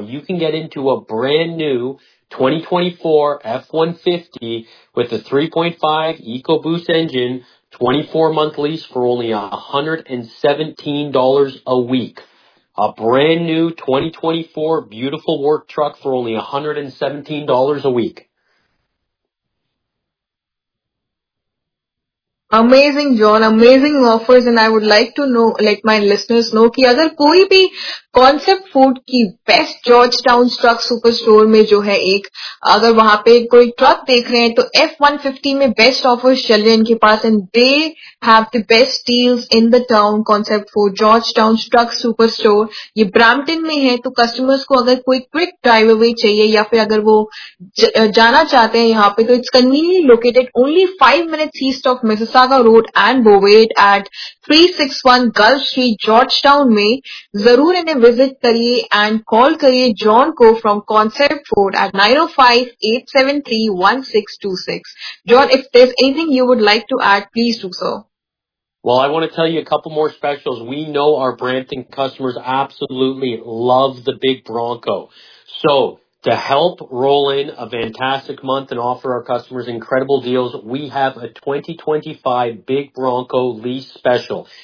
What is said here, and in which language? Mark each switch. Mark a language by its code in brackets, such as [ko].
[en] You can get into a brand new 2024 F-150 with a 3.5 EcoBoost engine, 24-month lease for only $117 a week. A brand new 2024 beautiful work truck for only $117 a week. Amazing John, amazing offers, and I would like to know, let my listeners know [hi] कि अगर कोई भी concept food की best George town truck super store में जो है एक, अगर वहां पे कोई ट्रक देख रहे हैं तो F-150 में बेस्ट ऑफर्स चल रहे हैं इनके पास, [en] and they have the best deals in the town [hi] concept food George town truck super store. ये ब्रैम्पटन में है, तो कस्टमर्स को अगर कोई क्विक ड्राइव अवे चाहिए या फिर अगर वो जाना चाहते हैं यहाँ पे, तो [en] it's conveniently located only 5 minutes east of [hi] Mississauga road and बोवेट eight 361 gulf street George town में। जरूर इन्हें विजिट करिए एंड कॉल करिए जॉन को from concept food at 905-873-1626। [en] John, if there is anything you would like to add, please do so. Well, I want to tell you a couple more specials. We know our Brampton customers absolutely love the Big Bronco. So to help roll in a fantastic month and offer our customers incredible deals, we have a 2025 Big Bronco lease special.